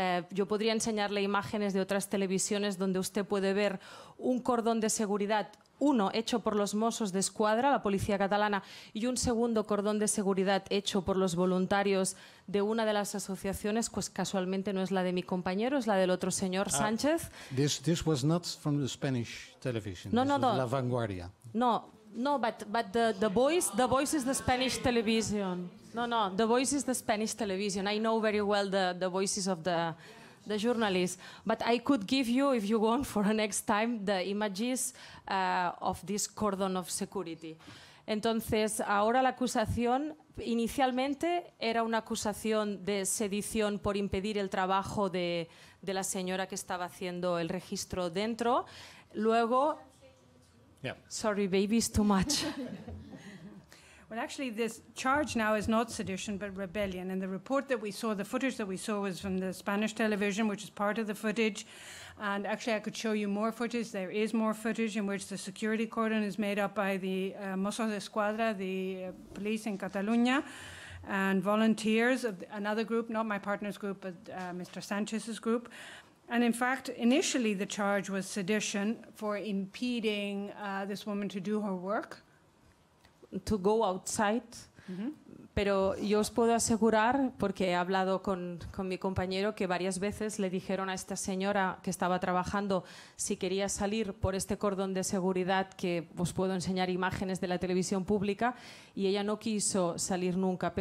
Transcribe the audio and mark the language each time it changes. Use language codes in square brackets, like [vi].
[es] Yo podría enseñarle imágenes de otras televisiones donde usted puede ver un cordón de seguridad, uno hecho por los Mossos de Escuadra, la policía catalana, y un segundo cordón de seguridad hecho por los voluntarios de una de las asociaciones, pues casualmente no es la de mi compañero, es la del otro señor Sánchez. [en] This was not from the Spanish television. No, La Vanguardia. No, No, but the voice is the Spanish television. No, the voice is the Spanish television. I know very well the voices of the journalists. But I could give you, if you want, for the next time, the images of this cordon of security. [es] Entonces, ahora la acusación, inicialmente, era una acusación de sedición por impedir el trabajo de la señora que estaba haciendo el registro dentro. Luego... [en] Yeah. Sorry, baby, it's too much. Well, actually, this charge now is not sedition, but rebellion. And the report that we saw, the footage that we saw, was from the Spanish television, which is part of the footage. And actually, I could show you more footage. There is more footage in which the security cordon is made up by the Mossos de Escuadra, the police in Catalonia, and volunteers of another group, not my partner's group, but Mr. Sanchez's group. And in fact, initially, the charge was sedition for impeding this woman to do her work. To go outside. Mm-hmm. [es] Pero yo os puedo asegurar, porque he hablado con mi compañero, que varias veces le dijeron a esta señora que estaba trabajando si quería salir por este cordón de seguridad, que os puedo enseñar imágenes de la televisión pública, y ella no quiso salir nunca.